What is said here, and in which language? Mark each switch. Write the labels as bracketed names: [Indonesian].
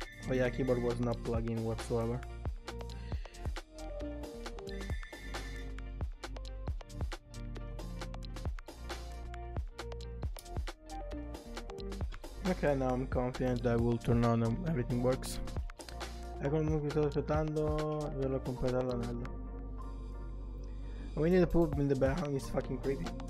[English] Oh yeah, keyboard was not plugging whatsoever. Okay, now I'm confident that I will turn on and everything works. [Italian] Ecco il mio sto aspettando, devo completare l'anello. [English] We need to poop in the background, it's fucking creepy.